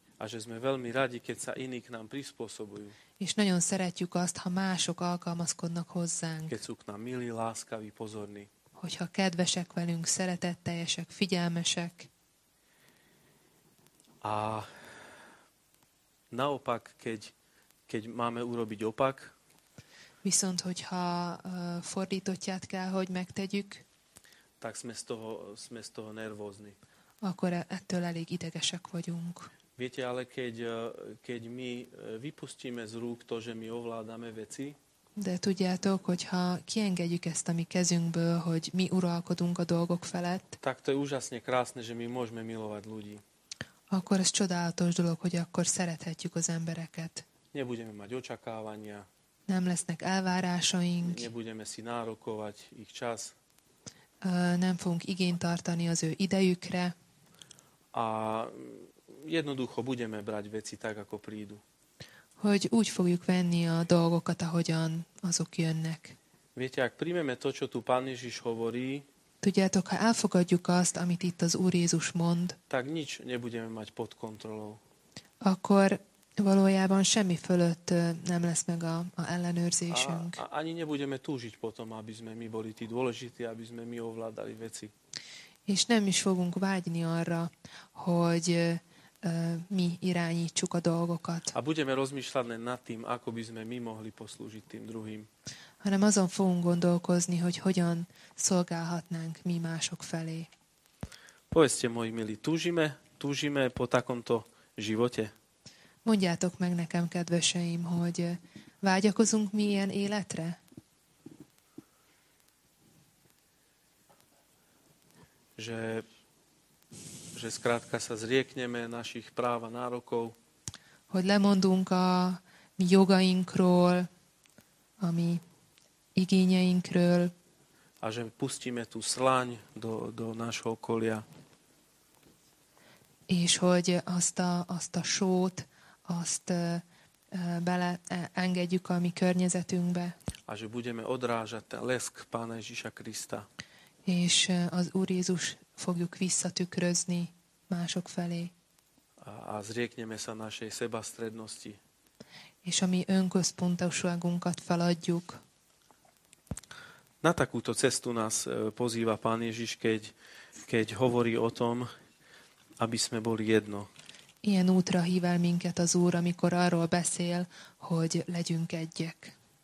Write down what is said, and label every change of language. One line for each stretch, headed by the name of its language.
Slovak: A že sme veľmi radi, keď sa iní k nám prispôsobujú.
Hungarian: És nagyon szeretjük azt, ha mások alkalmazkodnak hozzánk.
Slovak: Keď sú k nám milí, láskaví, pozorní.
Hungarian: Hogyha kedvesek velünk, szeretetteljesek, figyelmesek.
Slovak: A naopak, keď máme urobiť opak.
Hungarian: Viszont, hogyha fordítottját kell, hogy megtegyük.
Slovak: Tak sme z toho nervózni.
Hungarian: Akkor ettől elég idegesek vagyunk.
Slovak: Viete, ale keď my vypustíme z rúk to, že my ovládame veci.
Hungarian: De tudjátok, hogyha kiengedjük ezt a mi kezünkből, hogy mi uralkodunk a dolgok felett.
Slovak: Tak to je úžasne krásne, že my môžeme milovať ľudí.
Hungarian: Akkor ez csodálatos dolog, hogy akkor szerethetjük az embereket.
Slovak: Nebudeme mať očakávania.
Hungarian: Nem lesznek elvárásaink.
Slovak: Nebudeme si nárokovať ich čas.
Hungarian: Nem fogunk igényt tartani az ő idejükre.
Slovak: A jednoducho budeme brať veci tak, ako prídu.
Hungarian: Hogy úgy fogjuk venni a dolgokat, ahogyan azok jönnek.
Slovak: Viete, ak príjmeme to, čo tu Pán Ježiš hovorí,
Hungarian: tudjátok, ha elfogadjuk azt, amit itt az Úr Jézus mond,
Slovak: tak nič nebudeme mať pod kontrolou.
Hungarian: Akkor valójában semmi fölött nem lesz meg a ellenőrzésünk.
Slovak: A ani nebudeme túžiť potom, aby sme my boli tí dôležití, aby sme my ovládali veci.
Hungarian: És nem is fogunk vágyni arra, hogy mi irányítsuk a dolgokat.
Slovak: A budeme rozmýšľať nad tým, ako by sme my mohli poslúžiť tým druhým.
Hungarian: Hanem azon fogunk gondolkozni, hogy hogyan szolgálhatnánk mi mások felé.
Slovak: Povedzte, moji milí, túžime po takomto živote.
Hungarian: Mondjátok meg nekem, kedveseim, hogy vágyakozunk mi ilyen életre?
Slovak: Že skrátka sa zriekneme našich práv a nárokov.
Hungarian: Hogy lemondunk a mi jogainkról, a mi igényeinkről.
Slovak: A že pustíme tú slaň do nášho okolia.
Hungarian: És hogy azt a sót, azt bele engedjük a mi környezetünkbe.
Slovak: A že budeme odrážať ten lesk Pána Ježiša Krista.
Hungarian: És az Úr Jézus fogjuk visszatükrözni mások felé.
Slovak: A zriekneme sa našej sebastrednosti.
Hungarian: És a mi önközpontosságunkat feladjuk.
Slovak: Na takúto cestu nás pozýva Pán Ježiš, keď hovorí o tom, aby sme boli jedno.
Hungarian: Ilyen útra hív el minket az Úr, amikor arról beszél, hogy legyünk egyek.